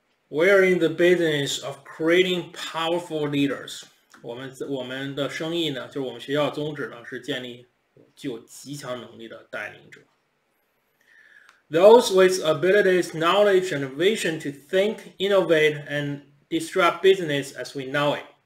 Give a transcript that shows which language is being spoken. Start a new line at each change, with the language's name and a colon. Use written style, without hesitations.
English: We are in the business of creating powerful leaders.
Chinese: 我们的生意呢，就是我们学校宗旨呢，是建立具有极强能力的带领者。
English: Those with abilities, knowledge, and vision to think, innovate, and disrupt business as we know it.